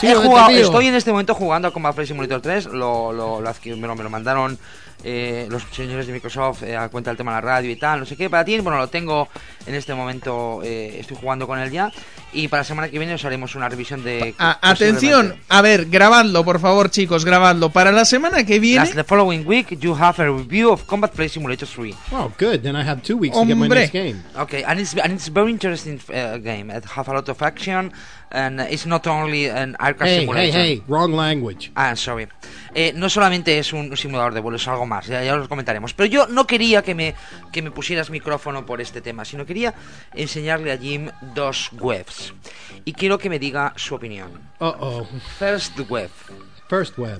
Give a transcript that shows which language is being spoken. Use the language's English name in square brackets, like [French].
[Spanish] Yo he jugado, estoy en este momento jugando a Combat Flight Simulator 3. Me lo mandaron los señores de Microsoft a cuenta del tema de la radio y tal, no sé qué, para ti. Bueno, lo tengo en este momento, estoy jugando con él ya. Y para la semana que viene os haremos una revisión de... Atención, a ver, grabadlo, por favor, chicos, grabadlo. Para la semana que viene... [English] The following week, you have a review of Combat Flight Simulator 3. Oh, good, then I have 2 weeks to get my next game. Okay, and it's a very interesting game. It has a lot of action, And it's not only an aircraft simulator. Hey, hey, wrong language. Ah, sorry. [Spanish] No solamente es un simulador de vuelo, es algo más, ya lo comentaremos. Pero yo no quería que me pusieras micrófono por este tema, sino quería enseñarle a Jim dos webs. Y quiero que me diga su opinión. Uh-oh. [English] First web. First web.